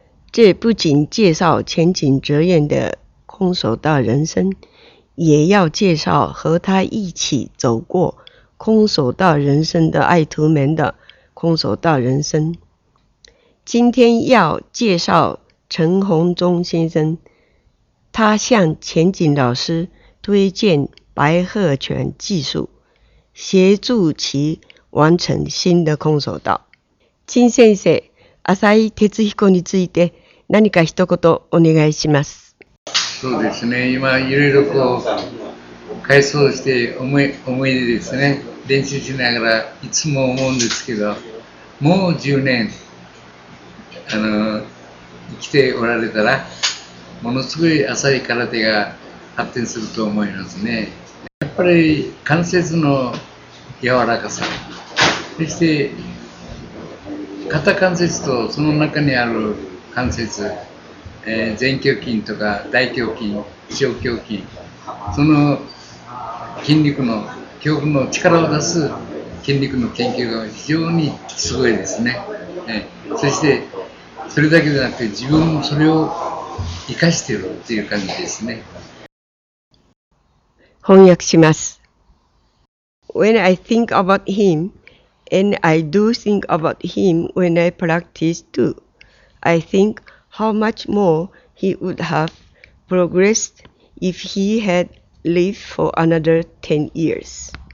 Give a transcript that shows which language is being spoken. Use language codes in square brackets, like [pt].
[zh] 这不仅介绍前井泽彦的空手道人生，也要介绍和他一起走过空手道人生的爱徒们的空手道人生。今天要介绍陈洪忠先生，他向前井老师推荐白鹤拳技术，协助其完成新的空手道。 [ja] 陳先生、浅井哲彦について何か一言お願いします。そうですね、今いろいろこう回想して思いですね、練習しながらいつも思うんですけど、もう10年生きておられたら、ものすごい浅い空手が発展すると思いますね。やっぱり関節の柔らかさ、そして肩関節とその中にある関節、前胸筋とか大胸筋、小胸筋、その筋肉の胸部の力を出す筋肉の研究が非常にすごいですね。そしてそれだけじゃなくて自分もそれを活かしているっていう感じですね。翻訳します。 [en] When I think about him,And I do think about him when I practice too. I think how much more he would have progressed if he had lived for another 10 years.